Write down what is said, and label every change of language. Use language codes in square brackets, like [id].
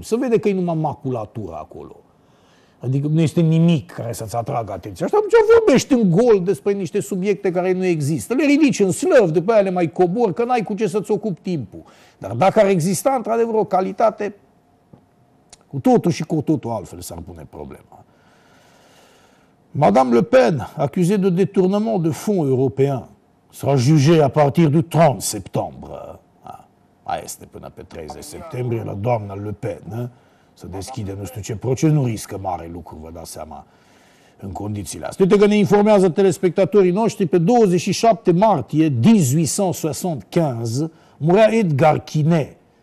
[ro] Se vede că e numai maculatura acolo. Adică nu este nimic care să-ți atragă atenția. Și atunci vorbești în gol despre niște subiecte care nu există. Le ridici în slăv, după aia le mai cobor, că n-ai cu ce să-ți ocupi timpul. Dar dacă ar exista, într-adevăr, o calitate, cu totul și cu totul altfel s-ar pune problema. [fr] Madame Le Pen, acuzée de détournement de fonds européens, sera jugée à partir du 30 septembre. [ro] Mai este până pe 30 septembrie la doamna Le Pen, să deschide nu știu ce proces, nu riscă mare lucru, vă dați seama, în condițiile astea. Uite că ne informează telespectatorii noștri, pe 27 martie 1875 murea Edgar Quinet.